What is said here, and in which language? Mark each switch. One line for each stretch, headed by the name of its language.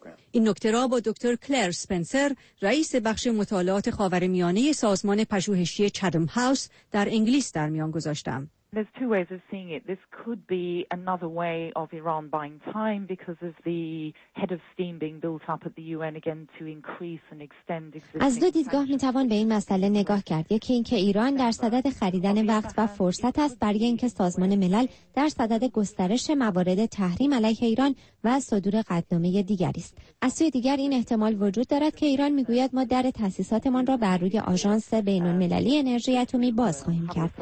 Persian: این نکته را با دکتر کلر سپنسر، رئیس بخش مطالعات خاورمیانه سازمان پژوهشی چدم هاوس در انگلیس در میان گذاشتم.
English: There's two ways of seeing it. This could be another way of Iran buying time because of the head of steam being built up at the UN again to increase and extend existing.
Persian: از دو دیدگاه می توان به این مسئله نگاه کرد. یکی اینکه ایران در صدد خریدن وقت و فرصت است برای اینکه سازمان ملل در صدد گسترش موارد تحریم علیه ایران و صدور قطعنامه دیگری است. از سوی دیگر این احتمال وجود دارد که ایران میگوید ما در تاسیساتمان را بر روی آژانس بین المللی انرژی اتمی باز خواهیم کرد.